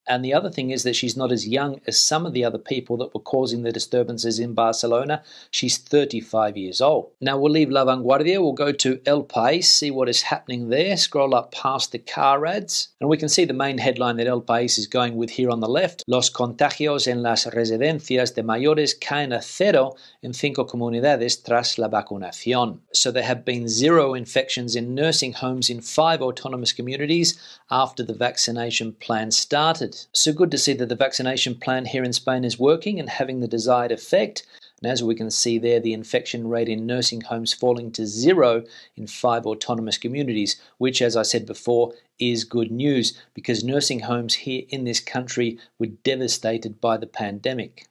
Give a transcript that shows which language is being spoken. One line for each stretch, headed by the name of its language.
English: And the other thing is that she's not as young as some of the other people that were causing the disturbances in Barcelona. She's 35 years old. Now we'll leave La Vanguardia, we'll go to El País, see what is happening there, scroll up past the car ads, and we can see the main headline that El País is going with here on the left.
Spanish: Los contagios en las residencias de mayores caen a cero en 5 comunidades tras la vacunación.
English: So there have been 0 infections in nursing homes in 5 autonomous communities after the vaccination plan started. So good to see that the vaccination plan here in Spain is working and having the desired effect. And as we can see there, the infection rate in nursing homes falling to 0 in 5 autonomous communities, which, as I said before, is good news, because nursing homes here in this country were devastated by the pandemic.